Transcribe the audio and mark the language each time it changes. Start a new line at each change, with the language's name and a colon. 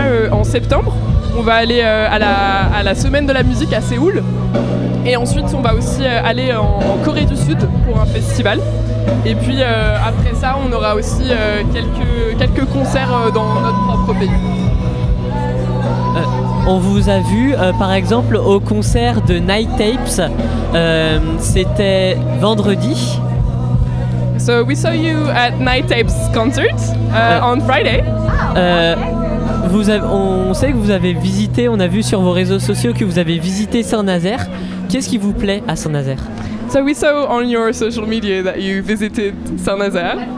French: En septembre, on va aller à la semaine de la musique à Séoul, et ensuite on va aussi aller en Corée du Sud pour un festival. Et puis après ça, on aura aussi quelques concerts dans notre propre pays. On vous a vu par exemple au concert de Night Tapes, c'était vendredi.
English: So we saw you at Night Tapes concert on Friday.
French: On sait que vous avez visité, on a vu sur vos réseaux sociaux que vous avez visité Saint-Nazaire. Qu'est-ce qui vous plaît à Saint-Nazaire?
English: So we saw on your social media that you visited Saint-Nazaire.